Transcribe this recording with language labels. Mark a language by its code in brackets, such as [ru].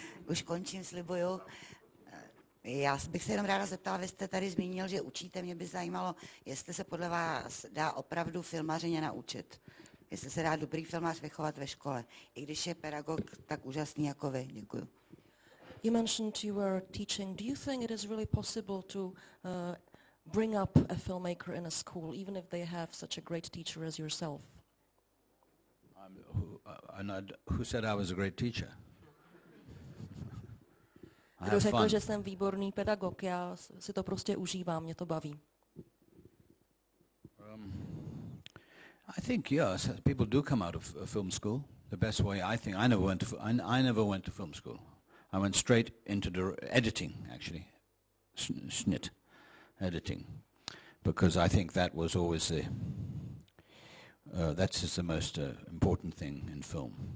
[cs] Už končím, slibuju. Já bych se jenom ráda zeptala, vy jste tady zmínil, že učíte, mě by zajímalo, jestli se podle vás dá opravdu filmařině naučit. Jestli se dá dobrý filmář vychovat ve škole, i když je pedagog tak úžasný jako vy. Děkuju. [en] You mentioned you were teaching. Do you think it is really possible to bring up a filmmaker in a school, even if they have such a great teacher as yourself? Who said I was a great teacher? [cs] Kdo řekl, že jsem výborný pedagog, já si to prostě užívám, mě to baví. [en] I think yes, people do come out of film school. The best way I think, I never went to film school. I went straight into editing, actually, schnitt, editing, because I think that was always the most important thing in film.